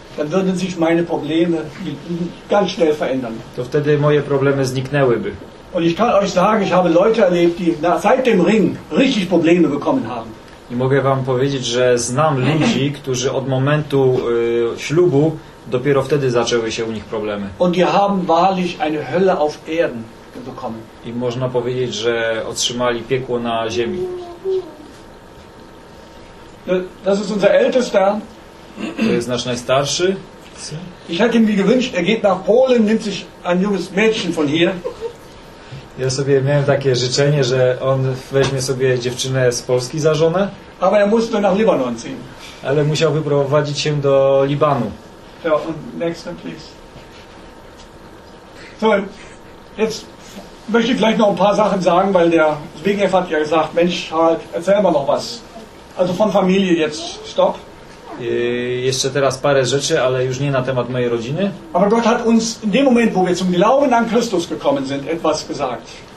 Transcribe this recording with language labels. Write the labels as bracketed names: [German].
[German] dann würden sich meine Probleme ganz schnell verändern. [Polish] To wtedy moje problemy zniknęłyby. [German] Und ich kann euch sagen, ich habe Leute erlebt, die seit dem Ring richtig Probleme bekommen haben. [Polish] I mogę wam powiedzieć, że znam ludzi, którzy od momentu ślubu dopiero wtedy zaczęły się u nich problemy. [German] Und die haben wahrlich eine Hölle auf Erden. [Polish] I można powiedzieć, że otrzymali piekło na ziemi. [German] Das ist unser ältester. [Polish] To jest nasz najstarszy. [German] Ich hätte mir gewünscht, er geht nach Polen, nimmt sich ein junges Mädchen von hier. [Polish] Ja sobie miałem takie życzenie, że on weźmie sobie dziewczynę z Polski za żonę. [German] Aber er musste nach Libanon ziehen. [Polish] Ale musiał wyprowadzić się do Libanu. [German] Ja, und [English] next please. [German] So, jetzt möchte ich gleich noch ein paar Sachen sagen, weil der Zbigniew hat ja gesagt, Mensch, halt, erzähl mal noch was. Also von Familie jetzt, stop. [Polish] Jeszcze teraz parę rzeczy, ale już nie na temat mojej rodziny. [German] Aber Gott hat uns in dem Moment, wo wir zum Glauben an Christus gekommen sind, etwas gesagt.